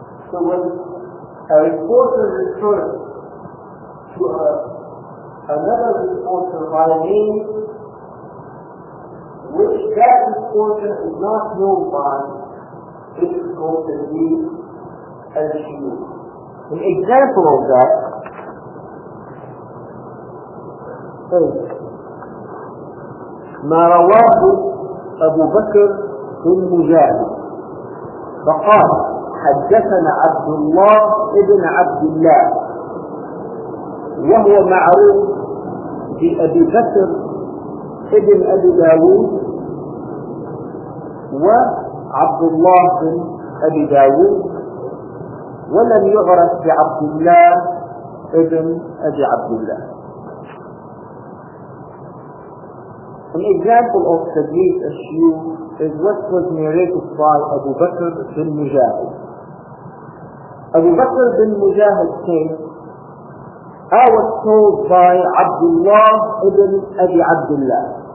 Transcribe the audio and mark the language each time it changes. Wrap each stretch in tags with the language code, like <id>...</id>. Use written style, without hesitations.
<en>So when a reporter refers to another reporter by name, which that reporter is not known by, this is called the name as she is. An example of that is</en> <ar>ما رواه أبو بكر بن مجاهد فقال حدثنا عبد الله ابن عبد الله وهو معروف بأبي بكر ابن أبي داود وعبد الله بن أبي داود ولم يعرف بعبد الله ابن أبي عبد الله.</ar> <en>An example of Hadith issue is what was narrated by Abu Bakr bin Mujahid. Abu Bakr bin Mujahid said, I was told by Abdullah ibn Abi Abdullah.</en>